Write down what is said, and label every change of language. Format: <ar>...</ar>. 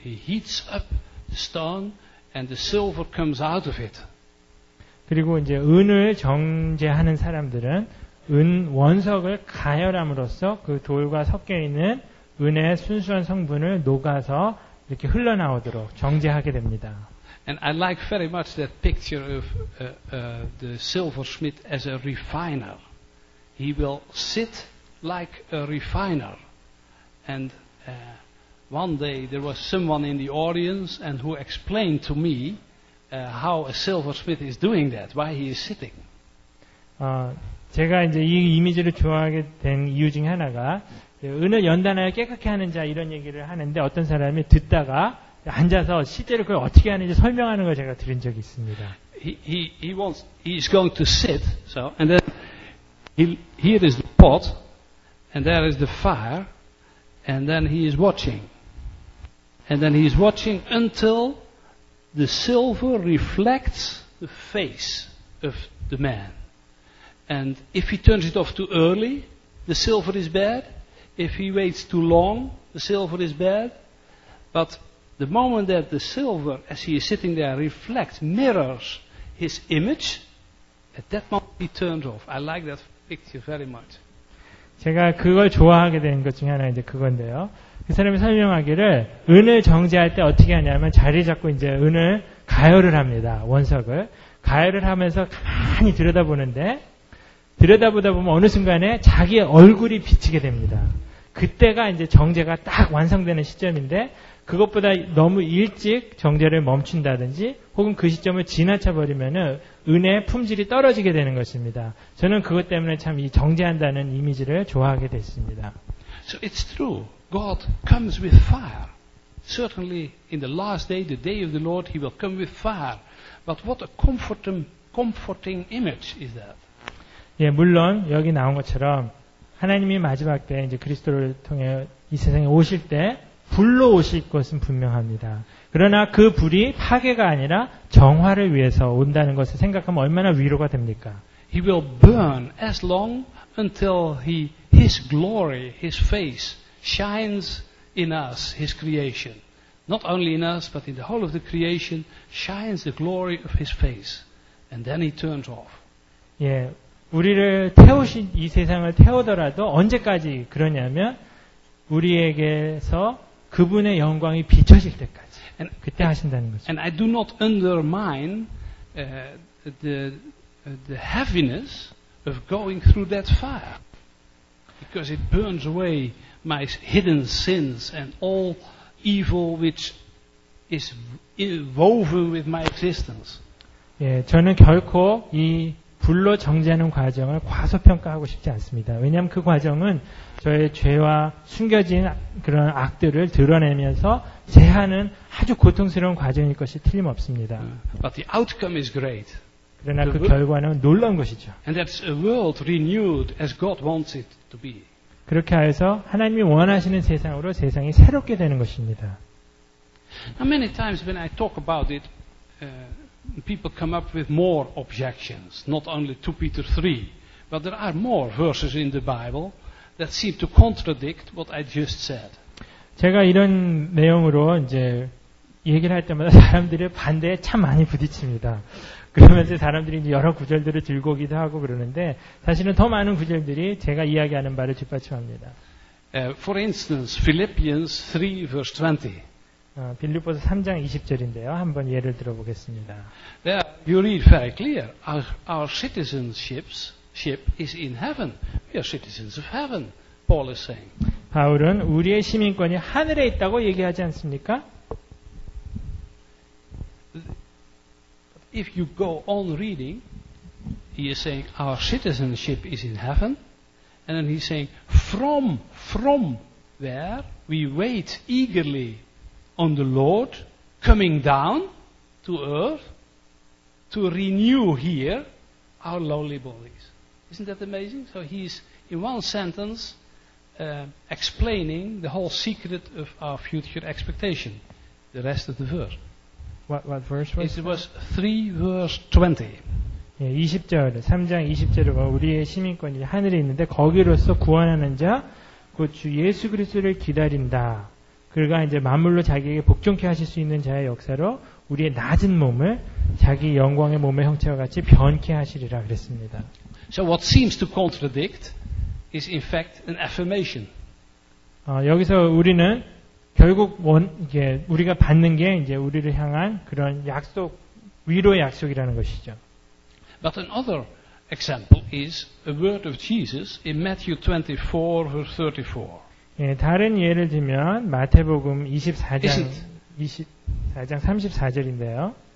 <en>He heats up the stone and the silver comes out of it.</en> <ko>그리고 이제 은을 정제하는 사람들은 은 원석을 가열함으로써 그 돌과 섞여 있는 은의 순수한 성분을 녹아서 이렇게 흘러나오도록 정제하게 됩니다.</ko> <en>And I like very much that picture of the silversmith as a refiner. He will sit like a refiner. And one day there was someone in the audience and who explained to me how a silversmith is doing that, why he is sitting.</en> <ko>제가 이제 이 이미지를 좋아하게 된 이유 중 하나가 은을 연단하여 깨끗케 하는 자 이런 얘기를 하는데 어떤 사람이 듣다가 앉아서 실제로 그걸 어떻게 하는지 설명하는 걸 제가 들은 적이 있습니다.</ko> <en>He is going to sit. So and then here is the pot and there is the fire and then he is watching. And then he is watching until the silver reflects the face of the man. And if he turns it off too early, the silver is bad. If he waits too long, the silver is bad. But the moment that the silver, as he is sitting there, reflects, mirrors his image, at that moment he turns off. I like that picture very much.</en> <ko>제가 그걸 좋아하게 된 것 중에 하나 이제 그건데요. 그 사람이 설명하기를 은을 정제할 때 어떻게 하냐면 자리 잡고 이제 은을 가열을 합니다. 원석을 가열을 하면서 가만히 들여다보는데. 들여다보다 보면 어느 순간에 자기의 얼굴이 비치게 됩니다. 그때가 이제 정제가 딱 완성되는 시점인데 그것보다 너무 일찍 정제를 멈춘다든지 혹은 그 시점을 지나쳐버리면 은의 품질이 떨어지게 되는 것입니다. 저는 그것 때문에 참 이 정제한다는 이미지를 좋아하게 됐습니다.</ko> <en>So it's true. God comes with fire. Certainly in the last day, the day of the Lord, he will come with fire. But what a comforting image is that?</en> <ko>예, 물론 여기 나온 것처럼 하나님이 마지막 때 이제 그리스도를 통해 이 세상에 오실 때 불로 오실 것은 분명합니다. 그러나 그 불이 파괴가 아니라 정화를 위해서 온다는 것을 생각하면 얼마나 위로가 됩니까?</ko> <en>He will burn as long until his glory, his face shines in us, his creation. Not only in us, but in the whole of the creation shines the glory of his face. And then he turns off.</en> <ko>예, 우리를 태우신 이 세상을 태우더라도 언제까지 그러냐면 우리에게서 그분의 영광이 비춰질 때까지 그때 하신다는 거죠.</ko> <en>And I do not undermine the heaviness of going through that fire because it burns away my hidden sins and all evil which is woven with my existence.</en> <ko>예, 저는 결코 이 불로 정지하는 과정을 과소평가하고 싶지 않습니다. 왜냐하면 그 과정은 저의 죄와 숨겨진 그런 악들을 드러내면서 제하는 아주 고통스러운 과정일 것이 틀림없습니다.</ko> <en>But the outcome is great.</en> <ko>그러나 그 결과는 놀라운 것이죠.</ko> <en>And that's a world renewed as God wants it to be.</en> <ko>그렇게 해서 하나님이 원하시는 세상으로 세상이 새롭게 되는 것입니다.</ko> <en>Now many times when I talk about it, people come up with more objections, not only 2 Peter 3, but there are more verses in the Bible that seem to contradict what I just said.</en> <ko>제가 이런 내용으로 이제 얘기를 할 때마다 사람들이 반대에 참 많이 부딪힙니다. 그러면서 사람들이 이제 여러 구절들을 들고 오기도 하고 그러는데 사실은 더 많은 구절들이 제가 이야기하는 바를 뒷받침합니다.</ko> <en>For instance, Philippians 3 verse 20.</en> <ko>빌립보서 3장 20절인데요. 한번 예를 들어보겠습니다.</ko> <en>There you read very clear. Our citizenship is in heaven. We are citizens of heaven, Paul is saying.</en> <ko>바울은 우리의 시민권이 하늘에 있다고 얘기하지 않습니까?</ko> <en>If you go on reading, he is saying our citizenship is in heaven. And then he's saying from where we wait eagerly on the Lord coming down to earth to renew here our lowly bodies. Isn't that amazing? So he's in one sentence explaining the whole secret of our future expectation. The rest of the verse. What verse was it? It was 3 verse 20.</en> <ko>예, 20절, 3장 20절을 보면 우리의 시민권이 하늘에 있는데 거기로서 구원하는 자 곧 주 예수 그리스도를 기다린다. 그가 이제 만물로 자기에게 복종케 하실 수 있는 자의 역사로 우리의 낮은 몸을 자기 영광의 몸의 형체와 같이 변케 하시리라 그랬습니다.</ko> <en>So what seems to contradict is in fact an affirmation.</en> <ko>여기서 우리는 결국 이게 우리가 받는 게 이제 우리를 향한 그런 약속, 위로의 약속이라는 것이죠.</ko> <en>But another example is a word of Jesus in Matthew 24 verse 34.</en> <ko>예, 다른 예를 들면 마태복음 24장 34절인데요.</ko>